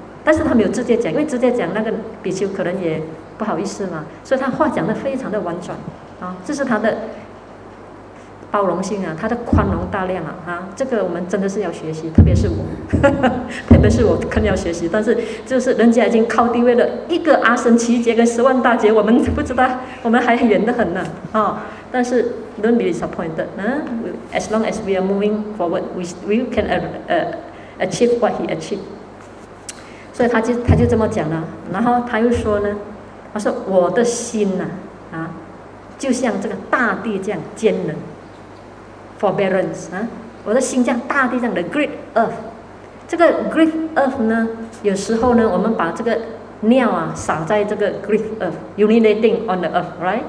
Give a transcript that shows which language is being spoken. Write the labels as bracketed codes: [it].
[zh] 但是他没有直接讲，因为直接讲那个比丘可能也不好意思嘛，所以他话讲得非常的婉转。这是他的包容性啊，他的宽容大量啊，啊，这个我们真的是要学习，特别是我，呵呵，特别是我肯定要学习。但是就是人家已经靠地位了一个阿僧祇劫跟十万大劫，我们不知道，我们还远得很呢，啊。 [en] 但是 don't be disappointed， 嗯、啊、，as long as we are moving forward， we can achieve what he achieved。 [zh] 所以他就这么讲了，然后他又说呢，他说我的心呐、啊，啊，就像这个大地这样坚韧。 Forbearance 啊，我的心像大地上的 Great Earth， 这个 Great Earth 呢，有时候呢，我们把这个尿啊撒在这个 Great Earth， [en] urinating on the earth， right？